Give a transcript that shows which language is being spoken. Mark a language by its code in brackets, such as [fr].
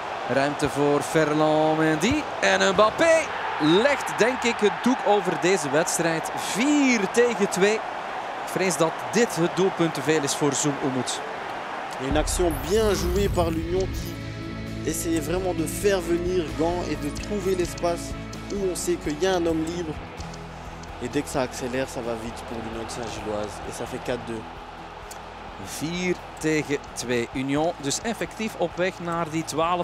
[nl] Ruimte voor Ferland Mendy. En Mbappé legt denk ik het doek over deze wedstrijd. 4-2. Ik vrees dat dit het doelpunt te veel is voor Zoom Umut. Een actie [fr] bien jouée par l'Union qui essayait vraiment de faire venir Gant et de trouver l'espace où on sait qu'il y a un homme libre. Et dès que ça accélère, ça va vite pour l'Union de Saint-Gilloise. Et ça fait 4-2. 4-2 Union. [nl] Dus effectief op weg naar die 12-12.